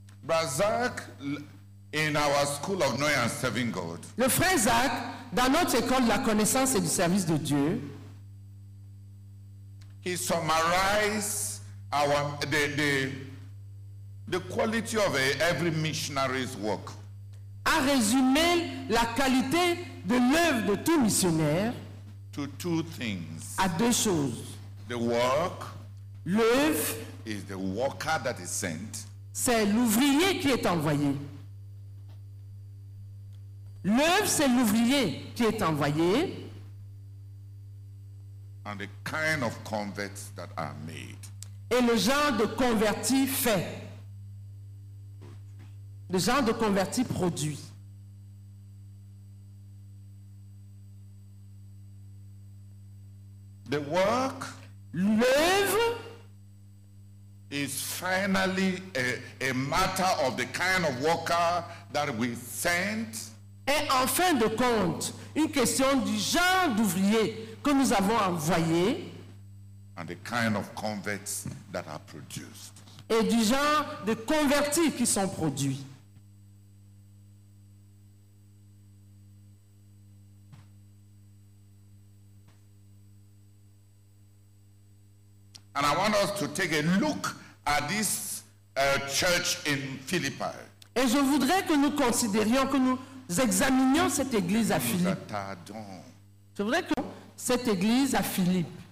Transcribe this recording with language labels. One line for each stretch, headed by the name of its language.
French: Le frère Zach, dans notre école de la connaissance et du service de Dieu,
English: he summarized the quality of every missionary's work.
French: A résumé la qualité de l'œuvre de tout missionnaire
English: to two things.
French: À deux choses.
English: The work
French: l'œuvre
English: is the worker that is sent.
French: C'est l'ouvrier qui est envoyé. L'œuvre, c'est l'ouvrier qui est envoyé.
English: And the kind of converts that are made.
French: Et le genre de converti fait. Le genre de converti produit.
English: The work.
French: L'œuvre.
English: Is finally a matter of the kind of worker that we sent.
French: Et en fin de compte, une question du genre d'ouvrier que nous avons envoyé
English: and the kind of converts that are produced.
French: Et du genre de convertis qui sont produits.
English: And I want us to take a look at this church in Philippi.
French: Et je voudrais que nous considérions, que nous examinions cette église à Philippe. Je voudrais que cette église à Philippe.